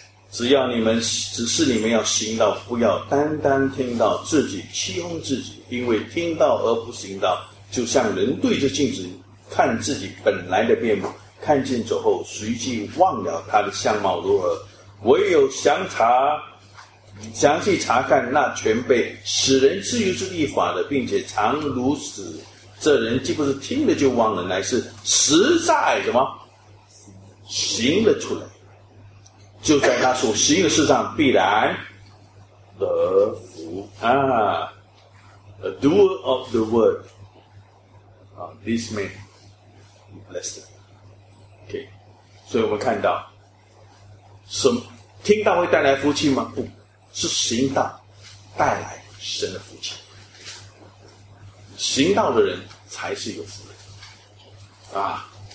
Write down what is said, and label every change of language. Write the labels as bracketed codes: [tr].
[zh] 只要你们，只是你们要行道，不要单单听到自己欺哄自己，因为听到而不行道，就像人对着镜子看自己本来的面目，看见之后随即忘了他的相貌如何，唯有详细查看那全被使人自由之律法的，并且常如此，这人既不是听了就忘了，乃是实在什么行了出来，就在他所行的事上必然得福啊。 [en] A doer of the word, this man blessed. [zh] Okay, 所以我们看到，什么听到会带来福气吗？不是，行道带来神的福气。行道的人才是有福的啊。